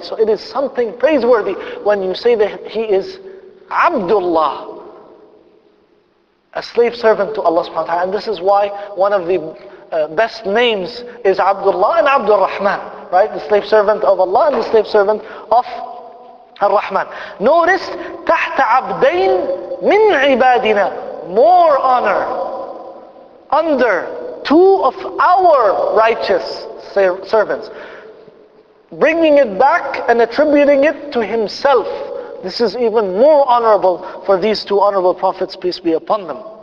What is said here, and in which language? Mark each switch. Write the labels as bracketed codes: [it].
[en] So it is something praiseworthy when you say that he is Abdullah, a slave servant to Allah subhanahu wa ta'ala. And this is why one of the best names is Abdullah and Abdul Rahman, right? The slave servant of Allah and the slave servant of Ar-Rahman. Notice, [ar] تحت عبدين من عبادنا. [en] More honor under two of our righteous servants. Bringing it back and attributing it to himself. This is even more honorable for these two honorable prophets, peace be upon them.